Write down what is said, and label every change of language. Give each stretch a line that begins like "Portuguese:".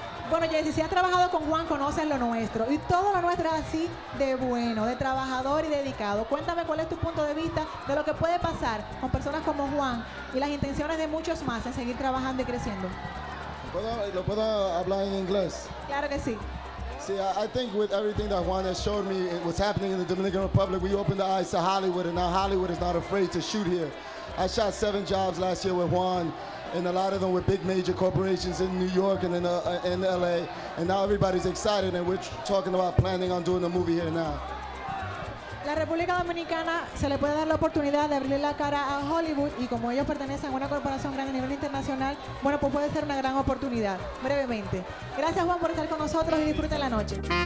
Spanish: Bueno, Jesse, si has trabajado con Juan, conoces lo nuestro. Y todo lo nuestro es así de bueno, de trabajador y dedicado. Cuéntame cuál es tu punto de vista de lo que puede pasar con personas como Juan y las intenciones de muchos más en seguir trabajando y creciendo. ¿Lo puedo hablar en inglés? Claro que sí.
English: I think with everything that Juan has showed me, what's happening in the Dominican Republic, we opened the eyes to Hollywood, and now Hollywood is not afraid to shoot here. I shot 7 jobs last year with Juan, and a lot of them with big major corporations in New York and in LA. And now everybody's excited, and we're talking about planning on doing a movie here now.
Spanish: La República Dominicana se le puede dar la oportunidad de abrir la cara a Hollywood, y como ellos pertenecen a una corporación grande a nivel internacional, bueno, pues puede ser una gran oportunidad, brevemente. Gracias, Juan, por estar con nosotros y disfruten la noche.